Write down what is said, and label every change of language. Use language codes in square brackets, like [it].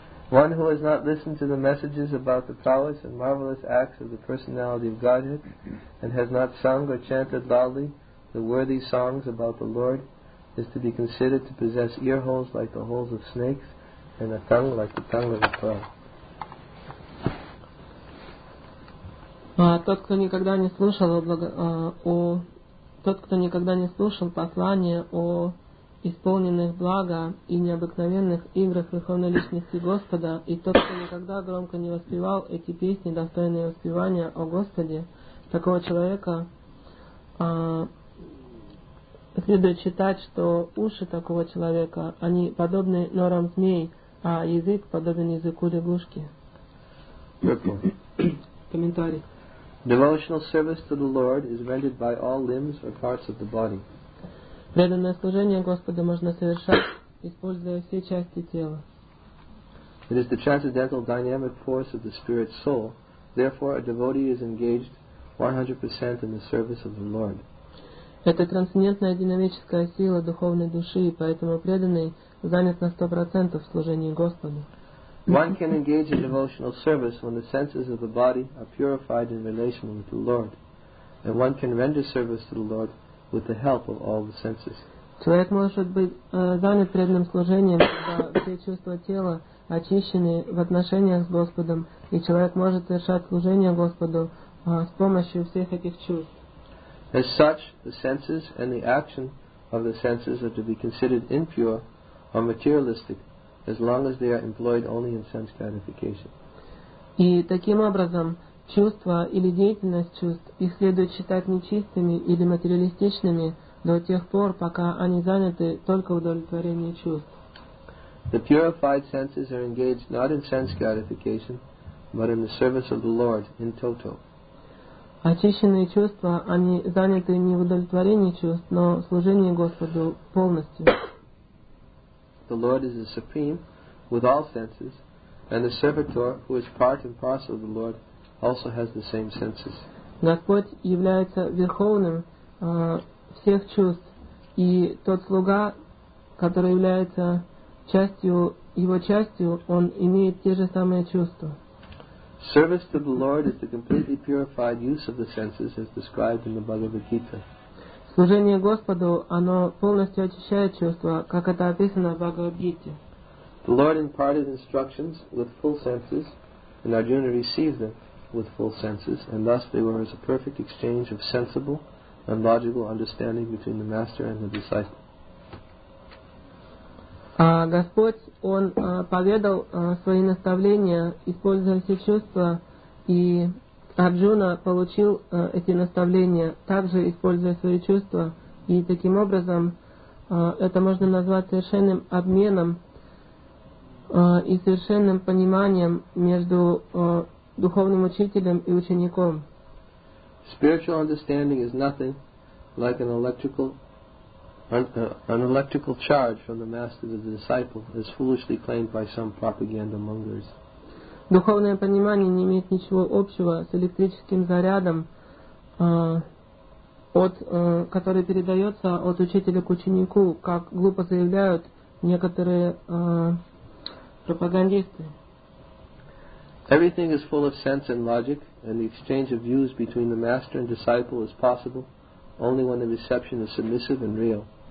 [en] One who has not listened to the messages about the prowess and marvelous acts of the personality of Godhead, and has not sung or chanted loudly the worthy songs about the Lord, is to be considered to possess ear holes like the holes of snakes, and a tongue like the tongue of a frog. [ru] Тот, кто никогда не слушал послания о исполненных блага и необыкновенных играх Верховной Личности Господа, и тот, кто никогда громко не воспевал эти песни, достойные воспевания о Господе, такого человека следует считать, что уши такого человека, они подобны норам змей, а язык подобен языку лягушки. Комментарий. [en] Devotional service to the Lord is rendered by all limbs or parts of the body. [ru] Преданное служение Господу можно совершать, используя все части тела. [en] It is the transcendental dynamic force of the spirit soul. Therefore, a devotee is engaged 100% in the service of the Lord. [ru] Это трансцендентная динамическая сила духовной души, поэтому преданный занят на 100% в служении Господу. [en] One can engage in devotional service when the senses of the body are purified in relation with the Lord, and one can render service to the Lord with the help of all the senses. [ru] Человек может быть занят преданным служением, когда все чувства тела очищены в отношениях с Господом, и человек может совершать служение Господу с помощью всех этих чувств. [en] As such, the senses and the action of the senses are to be considered impure or materialistic, as long as they are employed only in sense gratification. [ru] И таким образом, чувства или деятельность чувств их следует считать нечистыми или материалистичными до тех пор, пока они заняты только удовлетворением чувств. [en] The purified senses are engaged not in sense gratification, but in the service of the Lord in toto. [ru] Очищенные чувства, они заняты не в удовлетворении чувств, но в служении Господу полностью. [en] The Lord is the supreme with all senses, and the servitor, who is part and parcel of the Lord, also has the same senses. [ru] Господь является верховным всех чувств, и тот слуга, который является частью его частью, он имеет те же самые чувства. [en] Service to the Lord is the completely purified use of the senses, as described in the Bhagavad Gita. [ru] Служение Господу, оно полностью очищает чувства, как это описано в Бхагавад-гите. [en] The Lord imparted instructions with full senses, and Arjuna received them with full senses, and thus they were as a perfect exchange of sensible and logical understanding between the master and the disciple. [ru] Господь, Он поведал свои наставления, используя все чувства, и Арджуна получил эти наставления, также используя свои чувства, и таким образом это можно назвать совершенным обменом и совершенным пониманием между духовным учителем и учеником. [en] Spiritual understanding is nothing like an electrical charge from the master to the disciple, as foolishly claimed by some propaganda mongers. [ru] Духовное понимание не имеет ничего общего с электрическим зарядом, который передается от учителя к ученику, как глупо заявляют некоторые пропагандисты. [en] Everything is full of sense and logic, and the exchange of views between the master and disciple is possible only when the reception is submissive and real.